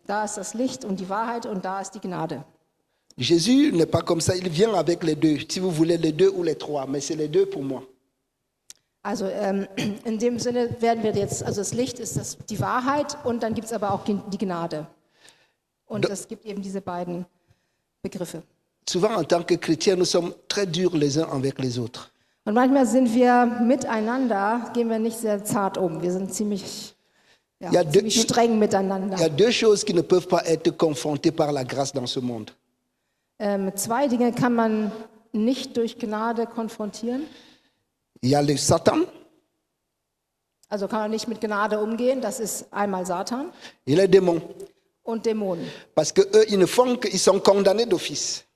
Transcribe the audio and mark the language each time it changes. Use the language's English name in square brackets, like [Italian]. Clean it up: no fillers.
[German] Da ist das Licht und die Wahrheit und da ist die Gnade. [French] Jésus n'est pas comme ça, il vient avec les deux, si vous voulez les deux ou les trois, mais c'est les deux pour moi. [German] Also in dem Sinne werden wir jetzt, also das Licht ist das, die Wahrheit und dann gibt es aber auch die Gnade. Und es gibt eben diese beiden Begriffe. [French] Souvent en tant que chrétiens, nous sommes très durs les uns avec les autres. [German] Und manchmal sind wir miteinander, gehen wir nicht sehr zart um, wir sind ziemlich, ja, ziemlich streng miteinander. [French] Il y a deux choses qui ne peuvent pas être confrontées par la grâce dans ce monde. [German] Zwei Dinge kann man nicht durch Gnade konfrontieren. [French] Il y a le Satan. [German] Also kann man nicht mit Gnade umgehen, das ist einmal Satan. [French] Et les démons. [German] Und Dämonen. [French] Parce que eux, ils ne font que, ils sont condamnés d'office.